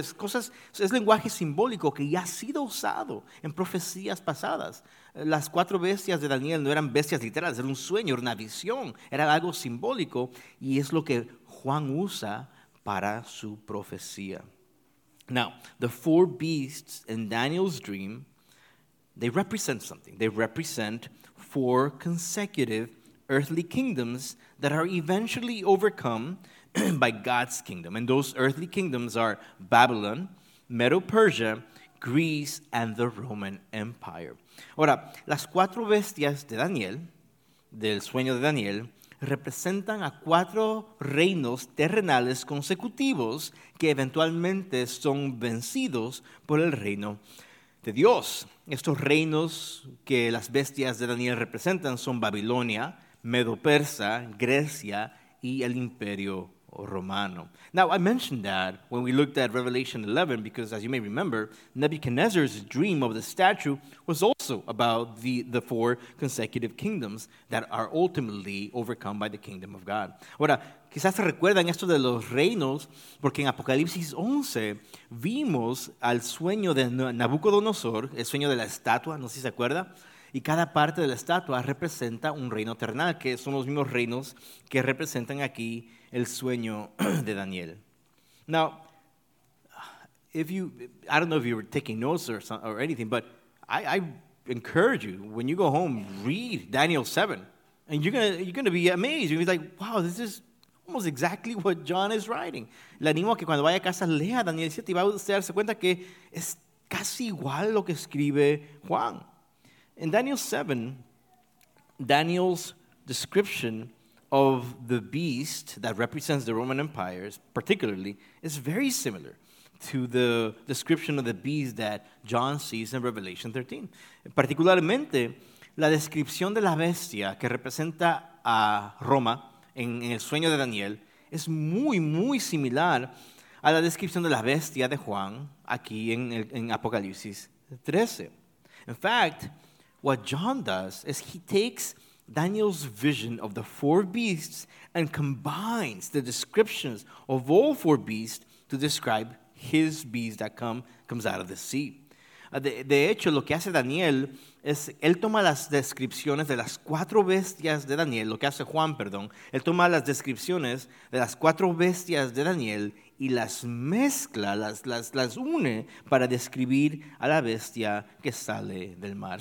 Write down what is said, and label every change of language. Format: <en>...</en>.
<es>Es lenguaje simbólico que ya ha sido usado en profecías pasadas. Las cuatro bestias de Daniel no eran bestias literales, era un sueño, era una visión, era algo simbólico, y es lo que Juan usa para su profecía.</es> <en>Now, the four beasts in Daniel's dream, they represent something. They represent four consecutive earthly kingdoms that are eventually overcome by God's kingdom. And those earthly kingdoms are Babylon, Medo-Persia, Greece, and the Roman Empire.</en> <es>Ahora, las cuatro bestias de Daniel, del sueño de Daniel, representan a cuatro reinos terrenales consecutivos que eventualmente son vencidos por el reino de Dios. Estos reinos que las bestias de Daniel representan son Babilonia, Medo-Persa, Grecia, y el Imperio Romano.</es> <en>Now, I mentioned that when we looked at Revelation 11, because as you may remember, Nebuchadnezzar's dream of the statue was also about the four consecutive kingdoms that are ultimately overcome by the kingdom of God.</en> <es>Ahora, quizás se recuerdan esto de los reinos, porque en Apocalipsis 11 vimos al sueño de Nabucodonosor, el sueño de la estatua, no sé si se acuerda. Y cada parte de la estatua representa un reino terrenal, que son los mismos reinos que representan aquí el sueño de Daniel.</es> <en>Now, I don't know if you were taking notes or anything, but I encourage you, when you go home, read Daniel 7. And you're gonna be amazed. You're gonna be like, wow, this is almost exactly what John is writing.</en> <es>Le animo a que cuando vaya a casa lea Daniel 7 y va a darse cuenta que es casi igual lo que escribe Juan.</es> <en>In Daniel 7, Daniel's description of the beast that represents the Roman Empire, particularly, is very similar to the description of the beast that John sees in Revelation 13.</en> <es>Particularmente, la descripción de la bestia que representa a Roma en el sueño de Daniel es muy, muy similar a la descripción de la bestia de Juan aquí en Apocalipsis 13.</es> <en>In fact, what John does is he takes Daniel's vision of the four beasts and combines the descriptions of all four beasts to describe his beast that comes out of the sea.</en> <es>De hecho, lo que hace Daniel es, él toma las descripciones de las cuatro bestias de Daniel, lo que hace Juan, perdón, él toma las descripciones de las cuatro bestias de Daniel y las mezcla, las une para describir a la bestia que sale del mar.</es>